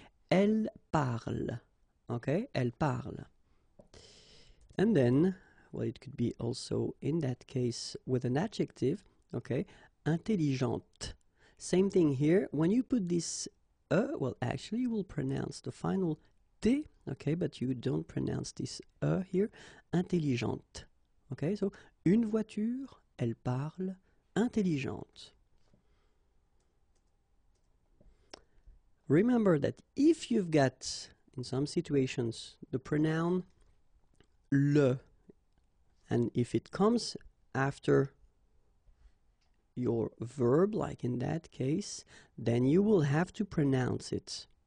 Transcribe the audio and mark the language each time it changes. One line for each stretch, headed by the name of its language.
French: Elle parle.
English: Okay,
French: elle parle.
English: And then, well, it could be also in that case with an adjective, okay,
French: intelligente.
English: Same thing here. When you put this well, actually, you will pronounce the final T, okay, but you don't pronounce this here,
French: intelligente.
English: Okay, so
French: une voiture, elle parle, intelligente.
English: Remember that if you've got, in some situations, the pronoun le, and if it comes after your verb, like in that case, then you will have to pronounce it.